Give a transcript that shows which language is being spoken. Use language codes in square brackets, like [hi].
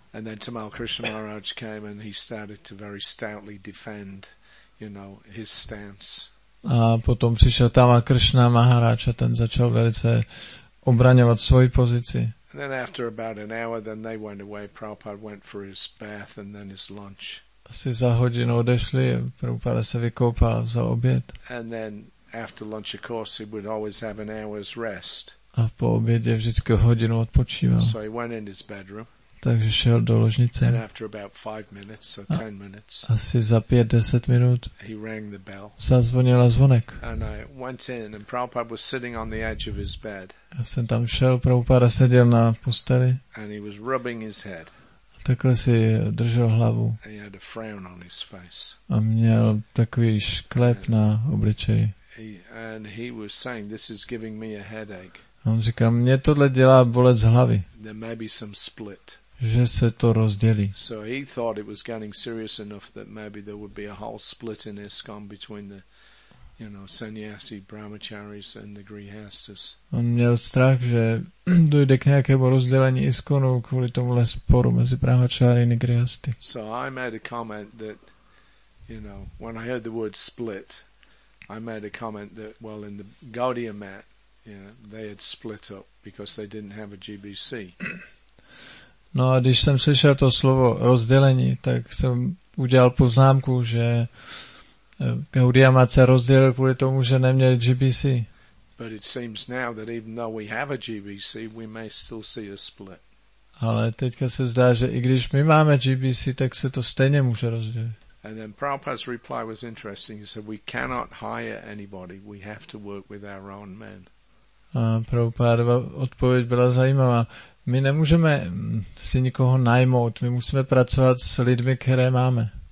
[en] And then Tamal Krishna Maharaj came and he started to very stoutly defend, you know, his stance. [cs] A potom přišel Tamal Krishna Maharaj a ten začal velice obraňovat svoji pozici. [en] And then after about an hour, then they went away. Prabhupada went for his bath and then his lunch. [cs] Asi za hodinu odešli, Prabhupada se vykoupal a vzal oběd. [en] And then after lunch, of course, he would always have an hour's rest. [cs] A po obědě vždycky hodinu odpočíval. [en] So he went in his bedroom. [cs] Takže šel do ložnice. [en] And after about 5 minutes or 10 minutes. [cs] Asi za 5-10 minut. [en] He rang the bell. [cs] Zazvonil a zvonek. [en] And I went in, and Prabhupada was sitting on the edge of his bed. [cs] Já jsem tam šel, Prabhupada seděl na posteli. [en] And he was rubbing his head. [cs] Takhle si držel hlavu. [en] He had a frown on his face. [cs] A měl takový šklep na obličeji. [en] And he was saying, "This is giving me a headache." [cs] On říká, mě tohle dělá bolec hlavy. [en] There may be some split. [cs] Že se to rozdělí. [en] So he thought it was getting serious enough that maybe there would be a whole split in ISKCON between the, you know, sannyasi brahmacharis and the grihasthas. [cs] On měl strach, že dojde k nějakému rozdělení ISKCONu kvůli tomuhle sporu mezi brahmacharis a grihasty. [en] So I made a comment that, you know, when I heard the word split, I made a comment that, well, in the Gaudiya mat, yeah, they had split up because they didn't have a GBC. [cs] No, a když jsem slyšel to slovo rozdělení, tak jsem udělal poznámku, že Gaudiya Mat se rozdělil kvůli tomu, že neměli GBC. [en] But it seems now that even though we have a GBC, we may still see a split. [cs] Ale teďka se zdá, že i když my máme GBC, tak se to stejně může rozdělit. [en] And then Prabhupada's reply was interesting. He said, "We cannot hire anybody. We have to work with our own men." [cs] A Prabhupádova odpověď byla zajímavá. My nemůžeme si nikoho najmout, my musíme pracovat s lidmi, které máme.